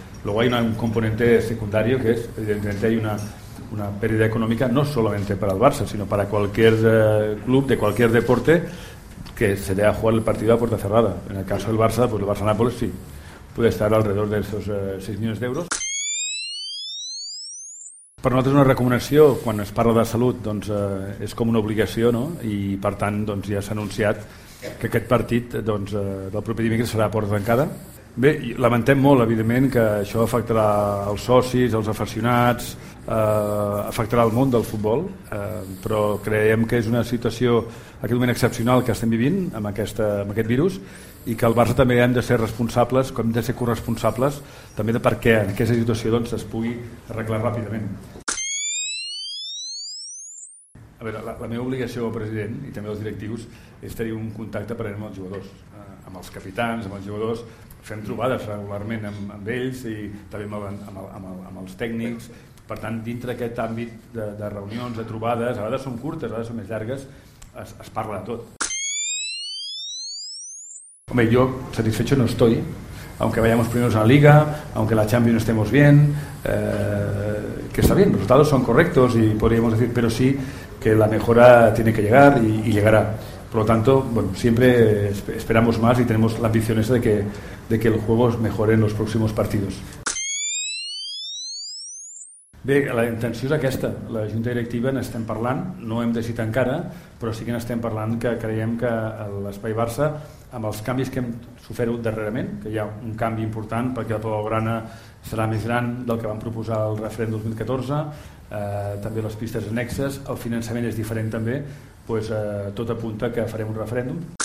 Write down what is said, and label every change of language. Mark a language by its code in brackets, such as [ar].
[es] Luego hay un componente secundario que es, evidentemente, hay una pérdida económica no solamente para el Barça, sino para cualquier club de cualquier deporte que se dé a jugar el partido a puerta cerrada. En el caso del Barça, pues el Barça-Nápoles sí, puede estar alrededor de esos 6 millones de euros. [ca] Per nosaltres una recomanació, quan es parla de salut, doncs és com una obligació, no? I per tant, doncs ja s'ha anunciat que aquest partit, doncs del proper dimecres serà a porta tancada. Bé, lamentem molt, evidentment, que això afectarà els socis, els aficionats, afectarà el món del futbol, però creiem que és una situació, aquest moment excepcional que estem vivint amb aquest virus, i que el Barça també hem de ser responsables, com hem de ser corresponsables, també de perquè en aquesta situació doncs, es pugui arreglar ràpidament. A veure, la meva obligació com a president i també dels directius és tenir un contacte per amb els jugadors, amb els capitans, amb els jugadors. Fem trobades regularment amb ells i també amb els tècnics. Per tant, dintre d'aquest àmbit de reunions, de trobades, a vegades són curtes, a vegades són més llargues, es parla de tot. [es] Home, yo satisfecho no estoy, aunque vayamos primeros en la Liga, aunque en la Champions estemos bien, que está bien, los resultados son correctos y podríamos decir, pero sí que la mejora tiene que llegar y llegará. Por lo tanto, bueno, siempre esperamos más y tenemos la ambición esa de que el juego mejore en los próximos partidos. [ca] Bé, la intenció és aquesta. La Junta Directiva n'estem parlant, no hem decidit encara, però sí que n'estem parlant que creiem que l'Espai Barça, amb els canvis que hem sofert darrerament, que hi ha un canvi important perquè la Blaugrana serà més gran del que van proposar el referèndum 2014, també les pistes annexes, el finançament és diferent també, doncs, tot apunta que farem un referèndum.